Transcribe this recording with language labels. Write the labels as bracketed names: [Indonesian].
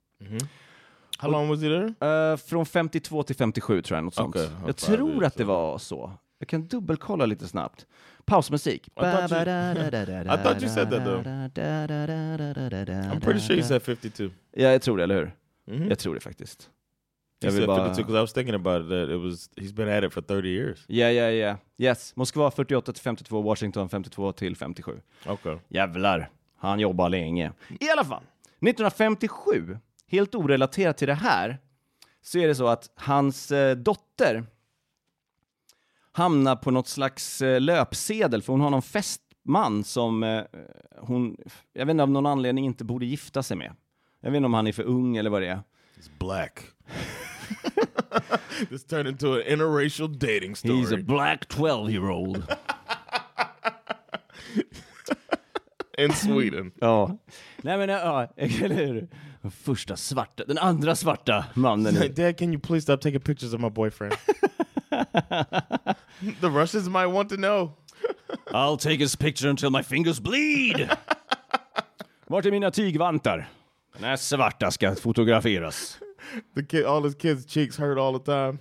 [English] Mm-hmm. How long was he there? [Swedish] Från 52 till 57 tror jag. Något sånt. Okay, jag tror att det var så. Jag kan dubbelkolla lite snabbt. Pausmusik. [English] I thought you said that though. I'm pretty sure you said 52. [Swedish] Ja, jag tror det, eller hur? Mm-hmm. Jag tror det faktiskt. Jag vill bara... [English] 52, because I was thinking about it, that it was, he's been at it for 30 years. Yeah. Yes, [Swedish] Moskva 48 till 52, Washington 52 till 57. Okej. Okay. Jävlar, han jobbar länge. I alla fall, 1957, helt orelaterat till det här, så är det så att hans dotter... hamna på något slags löpsedel. För hon har någon festman som hon... jag vet inte, av någon anledning inte borde gifta sig med. Jag vet inte om han är för ung eller vad det är. [English] He's black. This turned into an interracial dating story. He's a black 12-year-old. In Sweden. [Swedish] Ja. Nej men, ja. Eller första svarta... den andra svarta mannen. [English] Dad, can you please stop taking pictures of my boyfriend? The Russians might want to know. I'll take his picture until my fingers bleed. [Swedish] Vart är mina tygvantar? Den här svarta ska fotograferas. [English] The kid, all his kids' cheeks hurt all the time.